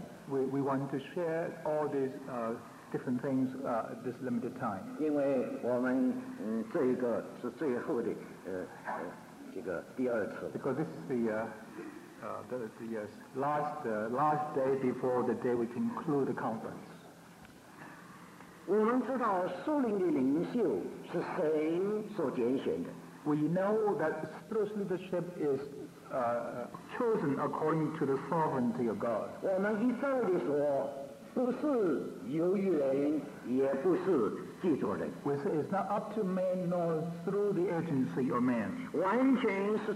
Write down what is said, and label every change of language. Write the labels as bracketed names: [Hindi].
[English] We want to share all these different things at this limited time. [Chinese] 因为我们这个是最后的, 这个第二次了, [English] because this is the last day before the day we conclude the conference. [Chinese] 我们知道树林的领袖是神所拣选的。 [English] We know that spiritual leadership is chosen according to the sovereignty of God. We say it's not up to man nor through the agency of man.